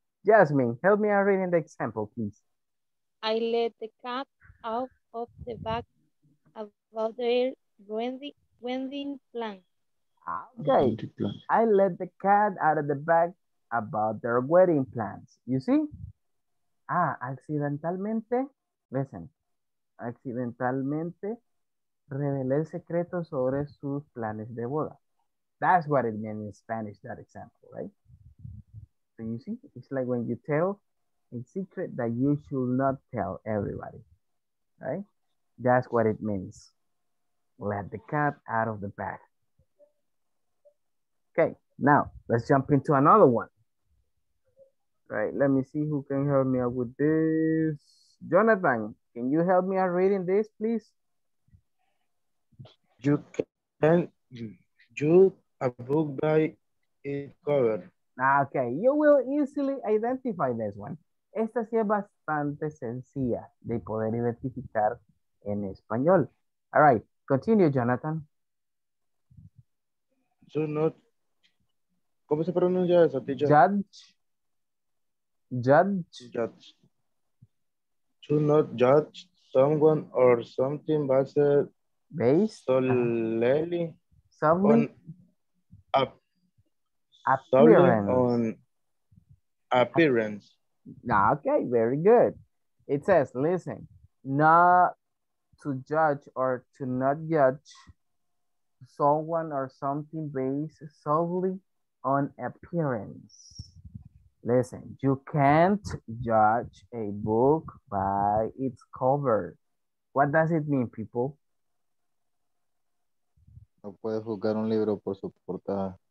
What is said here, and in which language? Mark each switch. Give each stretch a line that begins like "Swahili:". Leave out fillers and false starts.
English: Jasmine, help me out reading the example, please. I let the cat out of the bag about their wedding plan. Okay. I let the cat out of the bag about their wedding plans. You see?
Spanish: Ah, accidentalmente,
English: listen,
Spanish: accidentalmente revelé el secreto sobre sus planes de boda.
English: That's what it means in Spanish, that example, right? So you see, it's like when you tell a secret that you should not tell everybody, right? That's what it means. Let the cat out of the bag. Okay, now let's jump into another one. Right, let me see who can help me out with this. Jonathan, can you help me out reading this, please? You can choose a book by its cover. Okay, you will easily identify this one.
Spanish: Esta sí es bastante sencilla de poder identificar en español.
English: All right, continue, Jonathan. do not.
Spanish: ¿Cómo se pronuncia eso, teacher?
English: Judge. Do not judge someone or something based solely on appearance. Okay, very good. It says, listen, not to judge or to not judge someone or something based solely on appearance. Listen, you can't judge a book by its cover. What does it mean, people?
Spanish: No puedes juzgar un libro por su portada.